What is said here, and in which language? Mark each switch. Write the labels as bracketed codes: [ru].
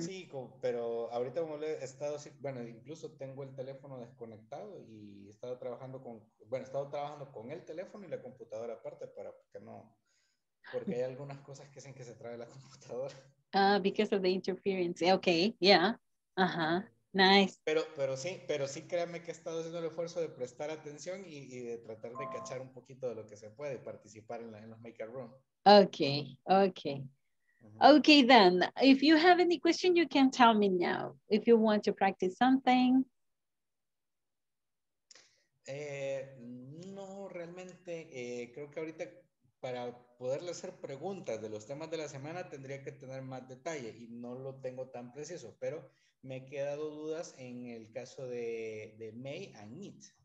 [es] Sí, pero ahorita como le he estado, bueno, incluso tengo el teléfono desconectado y he estado trabajando con, bueno, he estado trabajando con el teléfono y la computadora aparte para que no, porque hay algunas cosas que hacen que se trabe la computadora. [en] Ah, because of the interference. Okay, yeah. Ajá. Nice. [es] Pero sí, créanme que he estado haciendo el esfuerzo de prestar atención y de tratar de cachar un poquito de lo que se puede participar en los Maker Room. [en] Okay. Okay, then, if you have any question, you can tell me now. If you want to practice something. [es] No, realmente, creo que ahorita para poderle hacer preguntas de los temas de la semana tendría que tener más detalle y no lo tengo tan preciso, pero me he quedado dudas en el caso de May and Meet.